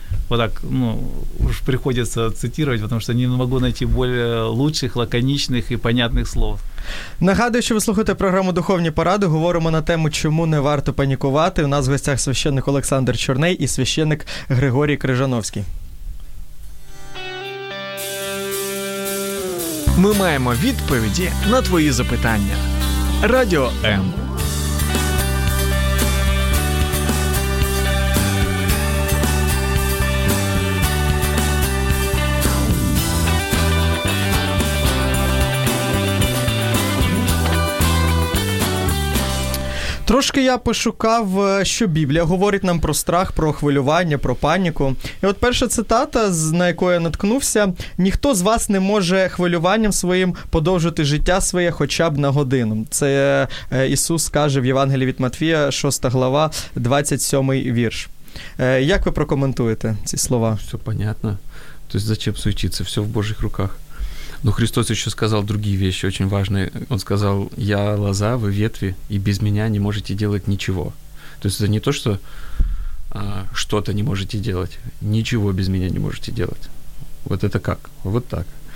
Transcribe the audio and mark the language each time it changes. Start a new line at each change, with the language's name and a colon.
Russian: Вот так, уж приходится цитировать, потому что не могу найти более лучших, лаконичных и понятных слов.
Ukrainian: Нагадую, що ви слухаєте програму «Духовні поради». Говоримо на тему, чому не варто панікувати. У нас в гостях священник Олександр Чорний і священник Григорій Крижановський. Ми маємо відповіді на твої запитання. Радіо М. Трошки я пошукав, що Біблія говорить нам про страх, про хвилювання, про паніку. І от перша цитата, на яку я наткнувся: «Ніхто з вас не може хвилюванням своїм подовжити життя своє хоча б на годину». Це Ісус каже в Євангелії від Матвія, 6 глава, 27 вірш. Як ви прокоментуєте ці слова?
Russian: Все понятно. Тобто, зачем суетиться? Все в Божих руках. Но Христос еще сказал другие вещи, очень важные. Он сказал: «Я лоза, вы ветви, и без меня не можете делать ничего». То есть это не то, что что-то не можете делать, ничего без меня не можете делать. Вот это как? Вот так.